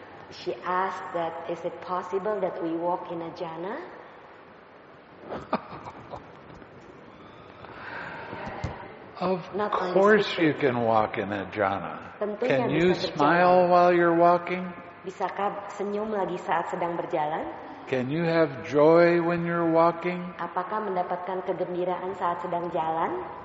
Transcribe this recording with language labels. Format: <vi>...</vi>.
<en>She asked that, is it possible that we walk in a jhana? Of course you can walk in a jhana. Can you smile while you're walking?</en> <id>Bisakah senyum lagi saat sedang berjalan?</id> <en>Can you have joy when you're walking?</en> <id>Apakah mendapatkan kegembiraan saat sedang jalan?</id>